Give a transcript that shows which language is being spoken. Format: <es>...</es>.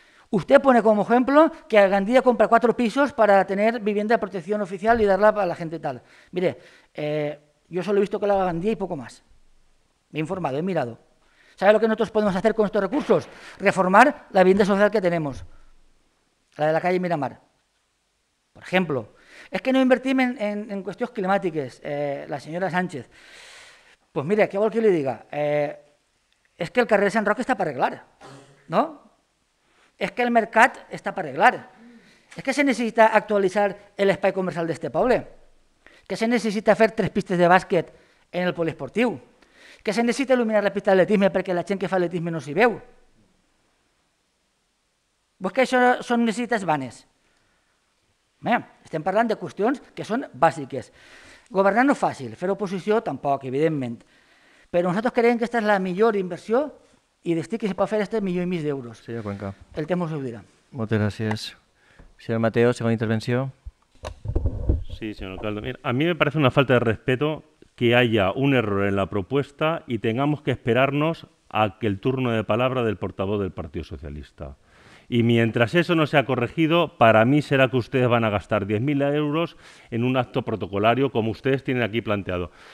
<es>Usted pone como ejemplo que a Gandía compra 4 pisos para tener vivienda de protección oficial y darla a la gente tal. Mire, yo solo he visto que la haga Gandía y poco más. Me he informado, he mirado. ¿Sabe lo que nosotros podemos hacer con estos recursos? Reformar la vivienda social que tenemos, la de la calle Miramar, por ejemplo.</es> <ca>Es que no invertim en qüestions climàtiques, la senyora Sánchez.</ca> <es>Pues mira,</es> <ca>què vol que li diga? És que el carrer Sant Roc està per arreglar, no? És que el mercat està per arreglar. És que se necessita actualitzar l'espai comercial d'este poble. Que se necessita fer 3 pistes de bàsquet en el poliesportiu. Que se necessita il·luminar la pista d'atletisme perquè la gent que fa atletisme no s'hi veu. Pues que això són necessitats vanes. Bé, estem parlant de qüestions que són bàsiques. Governar no és fàcil, fer oposició tampoc, evidentment. Però nosaltres creiem que aquesta és la millor inversió i destí que es pot fer aquest 1,5 milió d'euros. Senyor Cuenca. El temps ho dirà. Moltes gràcies. Senyor Mateo, segona intervenció. Sí, senyor alcalde.</ca> <es>Mira, a mi me parece una falta de respeto que haya un error en la propuesta y tengamos que esperarnos a que el turno de palabra del portavoz del Partido Socialista. Y mientras eso no sea corregido, para mí será que ustedes van a gastar 10.000 euros en un acto protocolario como ustedes tienen aquí planteado.</es>